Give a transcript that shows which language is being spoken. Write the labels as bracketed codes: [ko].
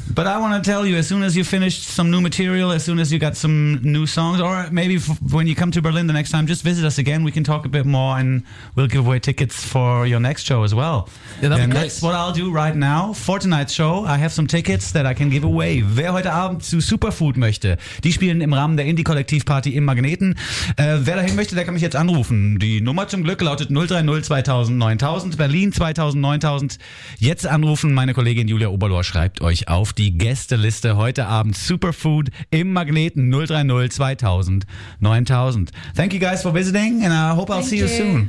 [en] But I want to tell you, as soon as you finished some new material, as soon as you got some new songs, or maybe when you come to Berlin the next time, just visit us again. We can talk a bit more and we'll give away tickets for your next show as well. Yeah, that'd be That's what I'll do right now for tonight's show. I have some tickets that I can give away. [de] Wer heute Abend zu Superfood möchte, die spielen im Rahmen der Indie-Kollektiv-Party im Magneten. Wer dahin möchte, der kann mich jetzt anrufen. Die Nummer zum Glück lautet 030 2000 9000, Berlin 2000 9000. Jetzt anrufen, meine Kollegin Julia Oberlohr schreibt euch auf die Gästeliste. Heute Abend Superfood im Magneten 030 2000 9000. [en] Thank you guys for visiting and I hope I'll see you soon.